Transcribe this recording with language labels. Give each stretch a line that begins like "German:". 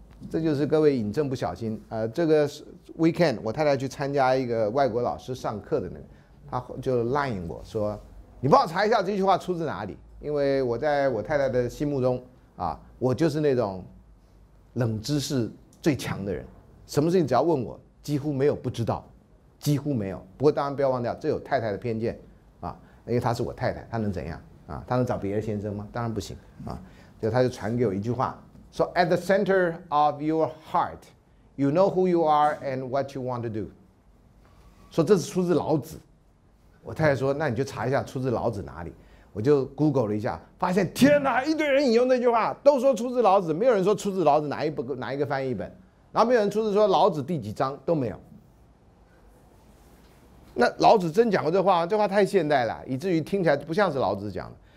Chinese: 这就是各位引证不小心。这个 weekend 我太太去参加一个外国老师上课的那个，他就 line 我说你帮我查一下这句话出自哪里，因为我在我太太的心目中啊，我就是那种冷知识最强的人，什么事情只要问我几乎没有不知道，几乎没有。不过当然不要忘掉，这有太太的偏见，因为她是我太太，她能怎样啊？她能找别的先生吗？当然不行啊！就她就传给我一句话，说
English: "At the center of your heart, you know who you are and what you want to do."
Chinese: 说这是出自老子。我太太说："那你就查一下出自老子哪里。" 我就 Google 了一下，发现天哪，一堆人引用那句话，都说出自老子，没有人说出自老子哪一本哪一个翻译本。然后没有人出示说老子第几章都没有。那老子真讲过这话吗？这话太现代了，以至于听起来不像是老子讲的。